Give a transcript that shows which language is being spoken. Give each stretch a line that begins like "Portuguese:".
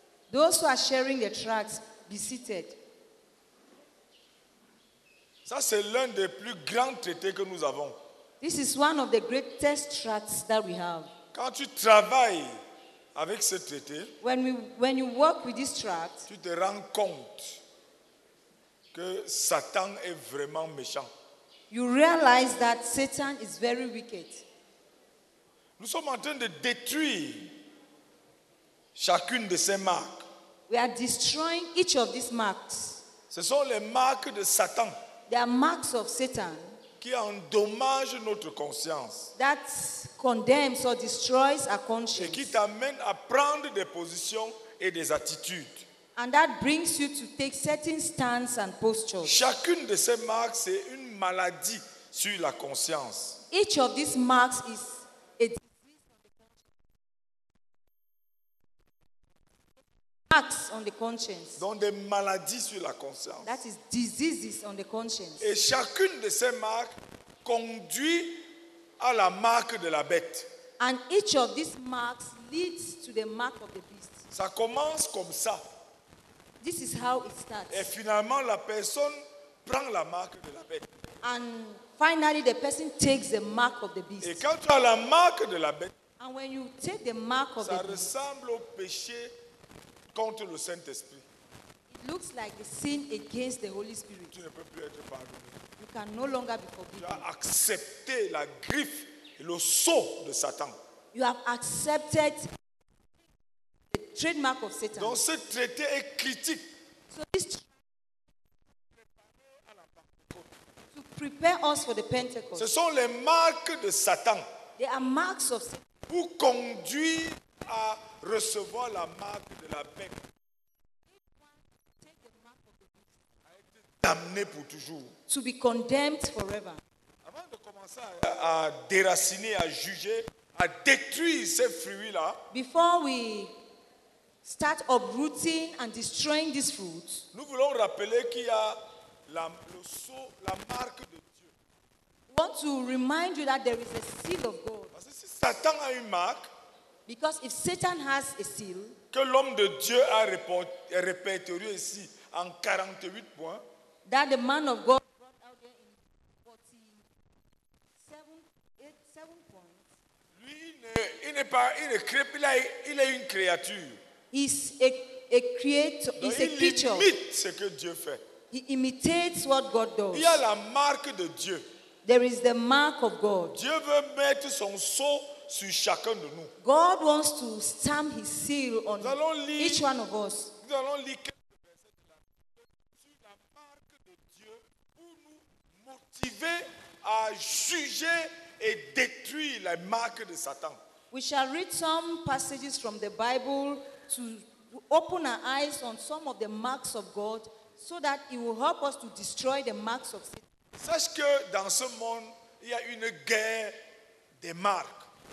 English: Those who are sharing the tracts, be seated.
French: Ça, c'est l'un des plus grands traités que nous avons.
English: This is one of the greatest tracts that we have.
French: Quand tu travailles avec ce traité,
English: when you work with this tract,
French: tu te rends compte que Satan est vraiment méchant.
English: You realize that Satan is very wicked.
French: Nous sommes en train de détruire chacune de ces marques.
English: We are destroying each of these marks.
French: Ce sont les marques de Satan.
English: They are marks of Satan.
French: Qui endommagent notre conscience.
English: That condemns or destroys our conscience.
French: Et qui t'amène à prendre des positions et des attitudes.
English: And that brings you to take certain stances and postures.
French: Chacune de ces marques, c'est une maladie sur la conscience.
English: Each of these marks is a on the conscience.
French: Donc des maladies sur la conscience.
English: That is diseases on the conscience.
French: Et chacune de ces marques conduit à la marque de la bête.
English: And each of these marks leads to the mark of the beast.
French: Ça commence comme ça.
English: This is how it starts.
French: Et finalement la personne prend la marque de la bête.
English: And finally the person takes the mark of the beast.
French: Et quand tu as la marque de la bête,
English: and when you take the mark of the beast,
French: ça ressemble au péché contre le Saint-Esprit.
English: It looks like a sin against the Holy Spirit.
French: Tu ne peux plus être pardonné.
English: You can no longer be forgiven.
French: Tu as accepté la griffe et le sceau de Satan.
English: You have accepted the trademark of Satan.
French: Donc ce traité est critique.
English: So this to prepare us for the Pentecost.
French: Ce sont les marques de Satan.
English: They are marks of Satan.
French: Pour conduire à recevoir la marque de la bête, à être damné pour toujours,
English: to be condemned forever.
French: Avant de commencer à déraciner, à juger, à détruire ces fruits-là,
English: before we start uprooting and destroying these fruits,
French: nous voulons rappeler qu'il y a la marque de Dieu.
English: We want to remind you that there is a seal of God.
French: Parce que si Satan a une marque,
English: because if Satan has a seal,
French: que l'homme de Dieu a répertorié ici en 48 points,
English: that the man of God brought out there in 47 points,
French: lui il est une créature.
English: He's a creator. He's a creature.
French: Il imite ce que Dieu fait.
English: He imitates what God does.
French: Il y a la marque de Dieu.
English: There is the mark of God.
French: Dieu veut mettre son sceau sur chacun de nous.
English: God wants to stamp his seal on each one of us.
French: Nous allons lire quelques versets de la Bible sur la marque de Dieu pour nous motiver à juger et détruire la marque de Satan.
English: We shall read some passages from the Bible to open our eyes on some of the marks of God so that it will help us to destroy the marks of Satan.
French: Sache que dans ce monde, il y a une guerre des marques.